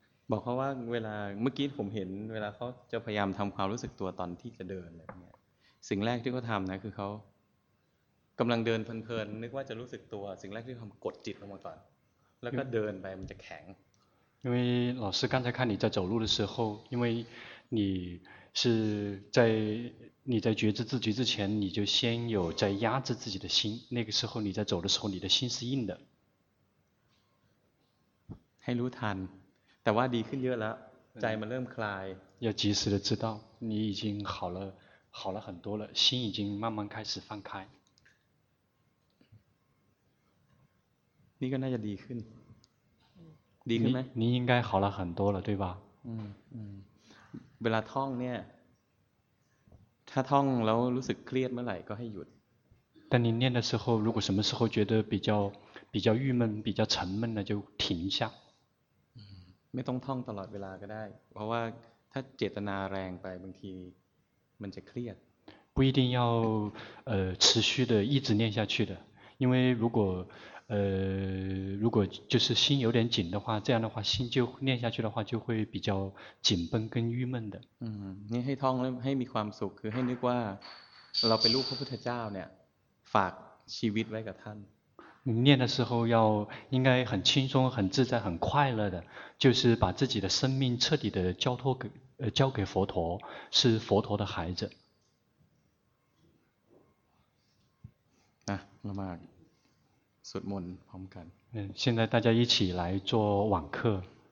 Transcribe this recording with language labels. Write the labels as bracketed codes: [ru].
[th] บอกเขาว่าเวลาเมื่อกี้ผมเห็นเวลาเขาจะพยายามทำความรู้สึกตัวตอนที่จะเดินอะไรเงี้ยสิ่งแรกที่เขาทำนะคือเขากำลังเดินเพลินๆนึกว่าจะรู้สึกตัวสิ่งแรกที่ทำกดจิตลงมาก่อนแล้วก็เดินไปมันจะแข็ง [zh] 因为老师刚才看你在走路的时候因为你是在你在觉知自己之前你就先有在压制自己的心那个时候你在走的时候你的心是硬的 [th] ให้รู้ทันแต่ว่าดีขึ้นเยอะแล้วใจมันเริ่มคลาย [zh] 要及时的知道你已经好了很多了心已经慢慢开始放开 [th] นี่ก็น่าจะดีขึ้นดีขึ้นไหม [zh] 你应该好了很多了对吧 [th] เวลาท่องเนี่ยถ้าท่องแล้วรู้สึกเครียดเมื่อไหร่ก็ให้หยุด [zh] 当你念的时候如果什么时候觉得比较郁闷比较沉闷了就停下 [th] ไม่ต้องท่องตลอดเวลาก็ได้เพราะว่าถ้าเจตนาแรงไปบางทีมันจะเครียด [zh] 不一定要持续的一直念下去的因为如果就是心有点紧的话这样的话心就念下去的话就会比较紧绷跟郁闷的 [th] นี่ให้ท่องแล้วให้มีความสุขคือให้นึกว่าเราเป็นลูกพระพุทธเจ้าเนี่ยฝากชีวิตไว้กับท่าน [zh] 念的时候要应该很轻松很自在很快乐的就是把自己的生命彻底的交给佛陀是佛陀的孩子啊妈妈 [th] สวดมนต์พร้อมกัน [zh] 现在大家一起来做网课